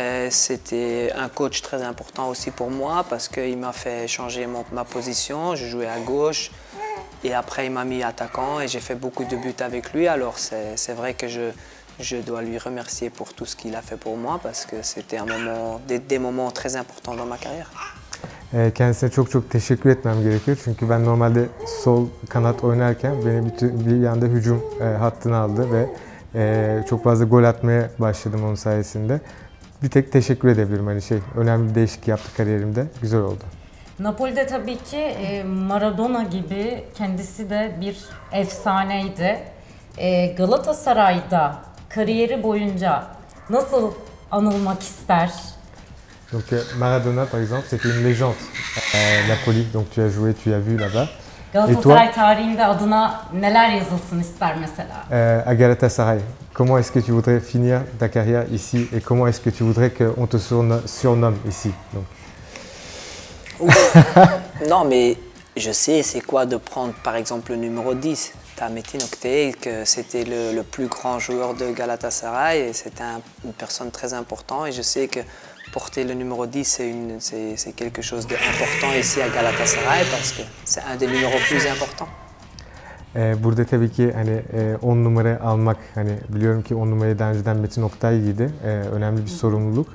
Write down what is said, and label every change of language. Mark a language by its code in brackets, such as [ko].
[fr] C'était un coach très important aussi pour moi parce qu'il m'a fait changer ma position. Je jouais à gauche et après il m'a mis attaquant et j'ai fait beaucoup de buts avec lui. Alors c'est vrai que je dois lui remercier pour tout ce qu'il a fait pour moi parce que c'était des moments très importants dans ma carrière. [tr] Kendisine çok çok teşekkür etmem gerekiyor. Çünkü ben normalde sol kanat oynarken beni bir yanda hücum hattına aldı ve çok fazla gol atmaya başladım onun sayesinde. Bir tek teşekkür edebilirim. Hani önemli bir değişiklik yaptı kariyerimde. Güzel oldu. Napoli'de tabii ki Maradona gibi kendisi de bir efsaneydi. Galatasaray'da kariyeri boyunca nasıl anılmak ister? [fr] Donc Maradona, par exemple, c'était une légende. Napoli, donc tu as joué, tu as vu là-bas. [tr] Galatasaray tarihinde adına neler yazılsın ister mesela? [fr] À Galatasaray, comment est-ce que tu voudrais finir ta carrière ici et comment est-ce que tu voudrais qu'on te surnomme ici? Donc. Non, mais je sais c'est quoi de prendre par exemple le numéro 10. T'as Metin Oktay, que c'était le plus grand joueur de Galatasaray et c'était une personne très importante et je sais que porter le numéro 10, c'est quelque chose d'important ici à Galatasaray parce que c'est un des numéros plus importants. [tr] Burada tabii ki hani 10 numara almak, hani biliyorum ki 10 numarayı daha önceden Metin Oktay giydi. Önemli bir sorumluluk.